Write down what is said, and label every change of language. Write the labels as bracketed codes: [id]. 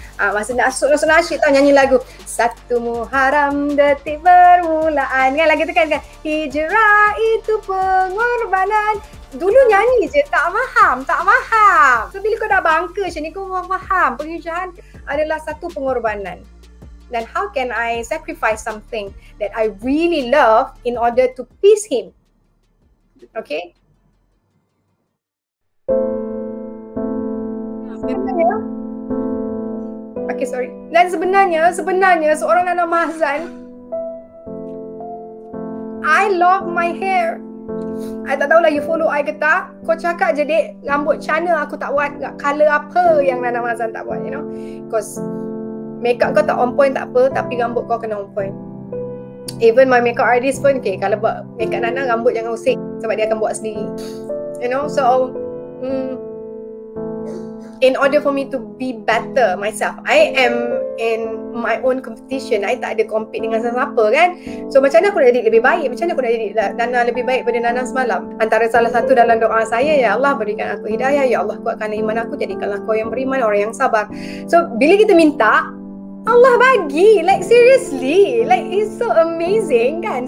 [ms] Masa masuk nasyid tau, nyanyi lagu Satu Muharram detik permulaan. Kan lagu tu kan? Hijrah itu pengorbanan. Dulu nyanyi je, tak faham. So bila kau dah bangka macam ni, kau faham. Pengisahan adalah satu pengorbanan. [en] Then how can I sacrifice something that I really love in order to please him? Okay? Okay, sorry. [ms] Dan sebenarnya seorang [en] Nana Mahzan, I love my hair. [ms] I tak tahulah you follow I ke tak. Kau cakap je dek, rambut channel aku tak buat. Color apa yang Nana Mahzan tak buat, [en] you know? Because [ms] makeup kau tak on point tak apa, tapi rambut kau kena on point. [en] Even my makeup artist [ms] pun, okay, kalau buat makeup Nana, rambut jangan usik, sebab dia akan buat sendiri. [en] You know, so in order for me to be better myself, I am in my own competition. [ms] I tak ada compete dengan siapa kan. So macam mana aku nak jadi lebih baik? Macam mana aku nak jadi Nana lebih baik daripada Nana semalam? Antara salah satu dalam doa saya, ya Allah berikan aku hidayah, ya Allah kuatkanlah iman aku, jadikanlah aku yang beriman, orang yang sabar. So bila kita minta, Allah bagi. [en] Like seriously, like it's so amazing kan.